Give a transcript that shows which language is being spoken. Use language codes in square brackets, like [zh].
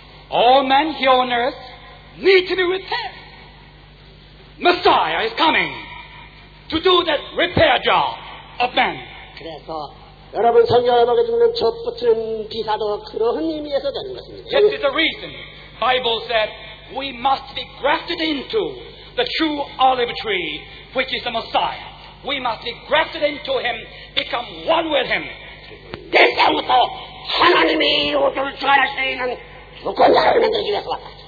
[en] All men here on earth need to be repaired. Messiah is coming to do that repair job of men. [ko] 여러분 성경에 있는 접붙은 기사도 그런 의미에서 되는 것입니다. [en] This is the reason Bible said we must be grafted into the true olive tree, which is the Messiah. We must be grafted into Him, become one with Him. [ko] 그때부터 하나님이 우리를 주관할 수 있는 주권자를 만들기 위해서 왔다.